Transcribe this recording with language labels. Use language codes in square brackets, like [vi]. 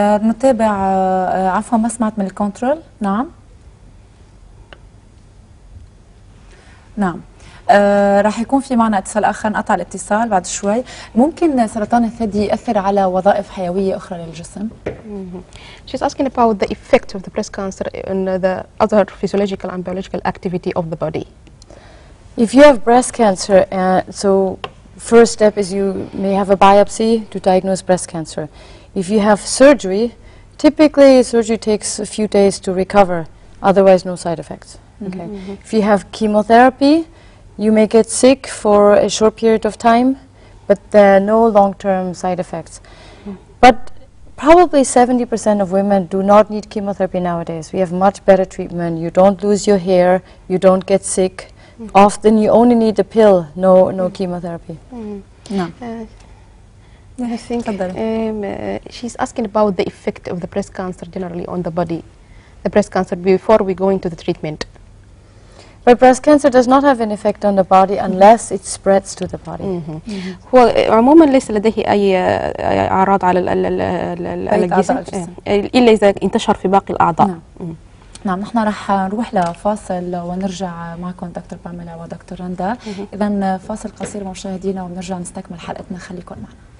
[ar] نتابع عفوا ما سمعت من الكنترول. نعم. نعم. راح يكون في معنا اتصال اخر، انقطع الاتصال بعد شوي. ممكن سرطان الثدي ياثر على وظائف حيويه اخرى للجسم؟ [en] She's asking about the effect of the breast cancer on the other physiological and biological activity of the body. If you have breast cancer, so first step is you may have a biopsy to diagnose breast cancer. If you have surgery, typically surgery takes a few days to recover, otherwise no side effects. Okay. If you have chemotherapy, you may get sick for a short period of time, but there are no long-term side effects. But probably 70% of women do not need chemotherapy nowadays. We have much better treatment. You don't lose your hair, you don't get sick. Mm-hmm. Often you only need a pill, no chemotherapy. Mm-hmm. No. I think she's asking about the effect of the breast cancer generally on the body, the breast cancer before we go into the treatment. But breast cancer does not have an effect on the body unless it spreads to the body. [ar] هو عموما ليس لديه أي أعراض على ال ال ال ال الجسم إلا إذا انتشر في باقي الأعضاء. نعم نحن راح نروح لفاصل ونرجع معكم دكتور باميلا ودكتور رندا. إذا فاصل قصير مشاهدينا ونرجع نستكمل حلقتنا، خليكم معنا.